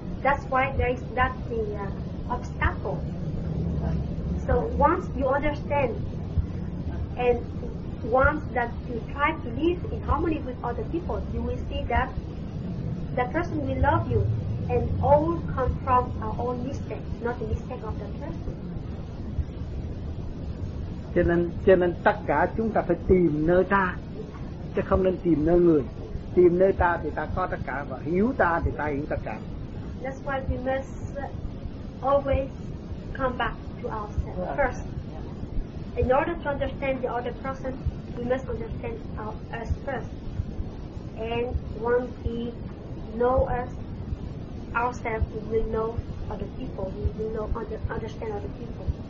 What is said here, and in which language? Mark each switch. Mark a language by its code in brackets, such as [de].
[en] That's why there is that the obstacle. So once you understand, and once that you try to live in harmony with other people, you will see that that person will love you. And all come from our own mistakes, not the mistake of the person. [vi] Cho nên tất cả chúng ta phải tìm nơi ta, chứ không nên tìm nơi người. Tìm nơi ta thì ta có tất cả, và hiểu ta thì ta hiểu tất cả. [en] That's why we must always come back to ourselves first. In order to understand the other person, we must understand us first. And once we know us, ourselves, we will know other people, we will know, understand other people.